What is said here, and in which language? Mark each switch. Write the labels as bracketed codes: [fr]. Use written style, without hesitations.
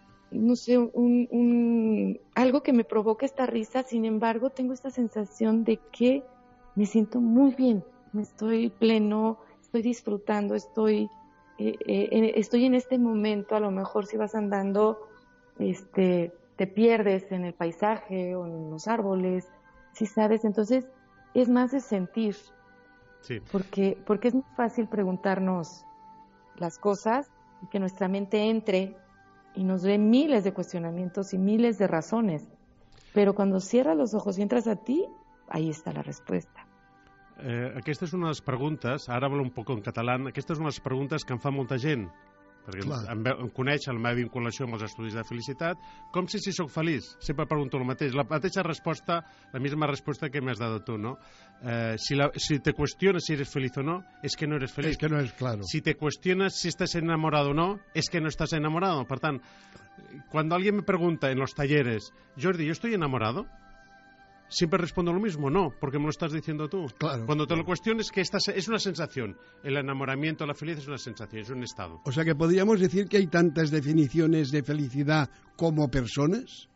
[es] no sé, un algo que me provoque esta risa, sin embargo, tengo esta sensación de que me siento muy bien, me estoy pleno, estoy disfrutando, estoy en este momento, a lo mejor si vas andando, te pierdes en el paisaje o en los árboles, si sabes, entonces es más de sentir, sí. porque es muy fácil preguntarnos las cosas y que nuestra mente entre y nos dé miles de cuestionamientos y miles de razones, pero cuando cierras los ojos y entras a ti, ahí está la respuesta. [ca] Aquesta és una de les preguntes, ara hablo un poc en català, aquesta és una de les preguntes que em fa molta gent, perquè em coneix la meva vinculació amb els estudis de felicitat. Com sé si sóc feliç? Sempre pregunto el mateix. La mateixa resposta, [es] la misma [ca] resposta que m'has dado tu, no? [es] Si te cuestiones si eres feliz o no, és que no eres feliç. [ca] És que no és claro. Si te cuestiones si estàs enamorat o no, és que no estàs enamorat. Per tant, quan algú me pregunta en els talleres, Jordi, jo estic enamorat? [es] Siempre respondo lo mismo, no, porque me lo estás diciendo tú. Claro. Cuando te claro. lo cuestiones, que esta es una sensación. El enamoramiento, la felicidad es una sensación, es un estado. O sea, que podríamos decir que hay tantas definiciones de felicidad como personas.